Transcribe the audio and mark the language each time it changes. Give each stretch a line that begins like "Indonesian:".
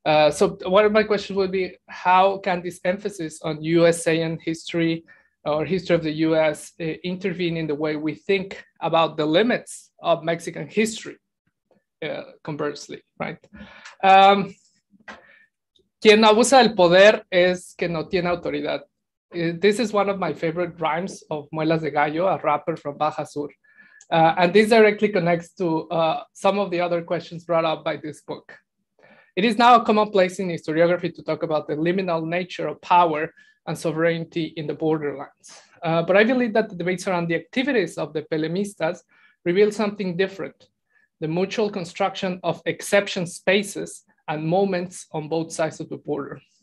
English: So one of my questions would be, how can this emphasis on USA and history or history of the US intervene in the way we think about the limits of Mexican history, conversely, right?
Spanish: Quien abusa del poder es que no tiene autoridad.
English: This is one of my favorite rhymes of Muelas de Gallo, a rapper from Baja Sur. And this directly connects to some of the other questions brought up by this book. It is now a commonplace in historiography to talk about the liminal nature of power and sovereignty in the borderlands. But I believe that the debates around the activities of the Pelemistas reveal something different, the mutual construction of exception spaces and moments on both sides of the border.